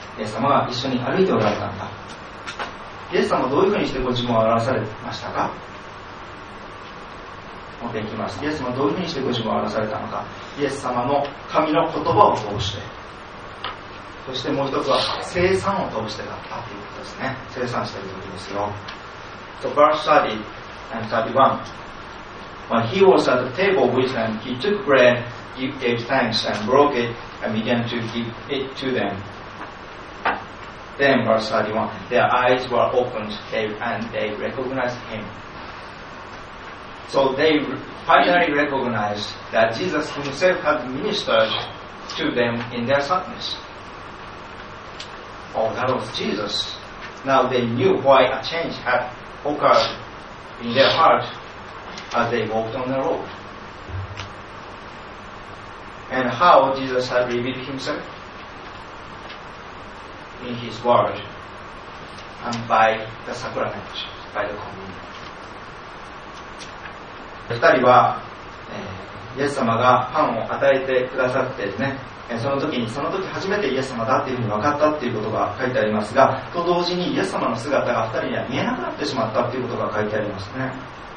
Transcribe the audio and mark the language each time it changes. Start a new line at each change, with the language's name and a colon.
Japanese: イエス様が一緒に歩いておられたんだ。イエス様はどういうふうにしてご自分を表されましたか。飛んでいきます。イエス様どういうふうにしてご自分を表されたのか、イエス様の神の言葉を通して、そしてもう一つは生産を通してだったということですね。生産したということですよ。
English: So verse 30 and 31 When he was at the table with them, he took bread, gave thanks and broke it and began to give it to themThen verse 31, their eyes were opened and they recognized him. So they finally recognized that Jesus himself had ministered to them in their sickness. Oh, that was Jesus. Now they knew why a change had occurred in their heart as they walked on the road. And how Jesus had revealed himselfIn His Word and by the sacrament, by the communion.
Japanese: 二人は、イエス様がパンを与えてくださってね、その時にその時初めてイエス様だっていうふうに分かったっていうことが書いてありますが、と同時にイエス様の姿が二人には見えなくなってしまったっていうことが書いてありますね。